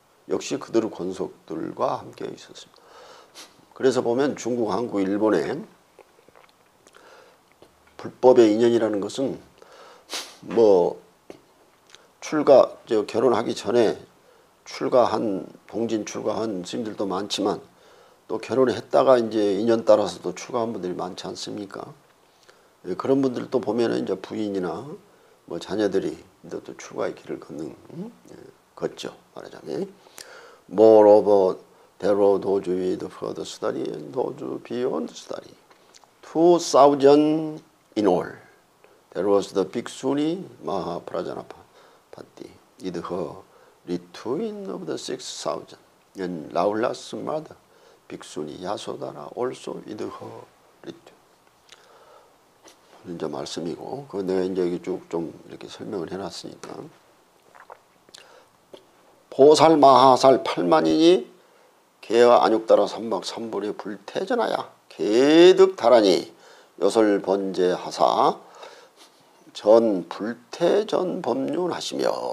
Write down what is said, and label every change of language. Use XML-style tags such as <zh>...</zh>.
<ko>역시 그들 권속들과 함께 있었습니다. 그래서 보면 중국, 한국, 일본의 불법의 인연이라는 것은 뭐 출가, 결혼하기 전에 출가한, 동진 출가한 스님들도 많지만 또 결혼을 했다가 이제 인연 따라서도 출가한 분들이 많지 않습니까? 그런 분들도 보면은 이제 부인이나 뭐 자녀들이 이제 또 출가의 길을 걷는, 걷죠. 말하자면.</ko> <en>Moreover, there are those with further study and those beyond study. 2000 in all. There was the Bhikshuni Mahaprajnapati, with her retuin of the 6000, and Rahula's mother, Bhikshuni Yasodhara, also with her retuin.</en> <ko>이제 말씀이고, 그 내가 이제 여기 쭉 좀 이렇게 설명을 해놨으니까. 보살 마하살 8만이니 개와 안육따라 삼박 삼불이 불태전하야 개득 달하니 요설 번제 하사 전 불태전 법륜하시며</ko>